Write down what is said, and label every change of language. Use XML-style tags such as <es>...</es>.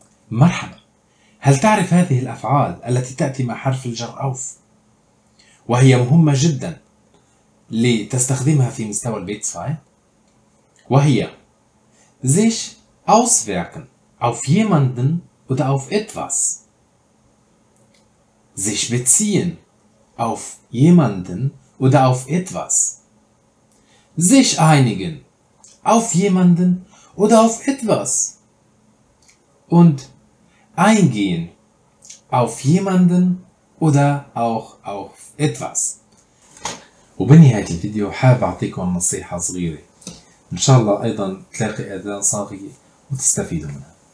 <ar>مرحبا، هل تعرف هذه الأفعال التي تأتي مع حرف الجر أوف؟ وهي مهمة جدا لتستخدمها في مستوى البيت فايل، وهي</ar> <de>sich auswirken auf jemanden oder auf etwas. Sich beziehen auf jemanden oder auf etwas. Sich einigen auf jemanden oder auf etwas. Und eingehen auf jemanden oder auch auf etwas.</de> <ar>وبنهاية الفيديو حاب أعطيكم نصيحة صغيرة، إن شاء الله أيضا تلاقي أذان صاغية وتستفيدوا منها.</ar>